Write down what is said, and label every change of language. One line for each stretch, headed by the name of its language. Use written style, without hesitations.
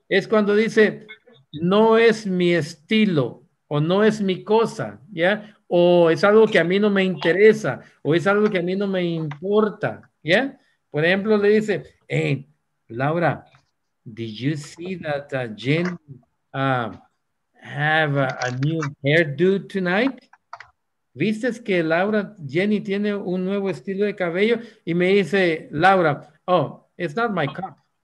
Spanish: Es cuando dice, no es mi estilo, o no es mi cosa, ¿ya? O es algo que a mí no me interesa, o es algo que a mí no me importa, ¿ya? Por ejemplo, le dice,
English: hey, Laura, did you see that Jen have a new hairdo tonight?
Spanish: ¿Viste que Laura, Jenny tiene un nuevo estilo de cabello? Y me dice,
English: Laura, oh, it's not my cup.